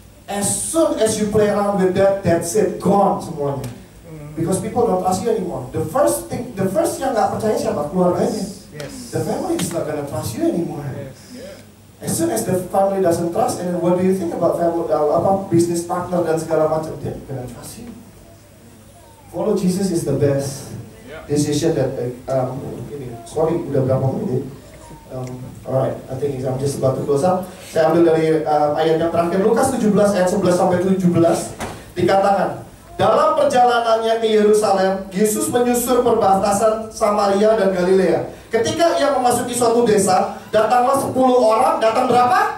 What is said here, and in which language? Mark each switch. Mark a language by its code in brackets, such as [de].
[en] As soon as you play around with that, that's it, gone [id] semuanya. [en] Because people don't trust you anymore. The first [id] yang gak percaya siapa? Keluarganya. [en] The family is not gonna trust you anymore. As soon as the family doesn't trust, and what do you think about family, apa business partner [id] dan segala macam, [en] dia gonna trust you. Follow Jesus is the best decision that sorry, [id] udah berapa menit? [en] Alright, I think I'm just about to close up. [id] Saya ambil dari ayat yang terakhir, Lukas 17 ayat 11 sampai 17 dikatakan, dalam perjalanannya ke Yerusalem, Yesus menyusur perbatasan Samaria dan Galilea. Ketika ia memasuki suatu desa, datanglah 10 orang, datang berapa?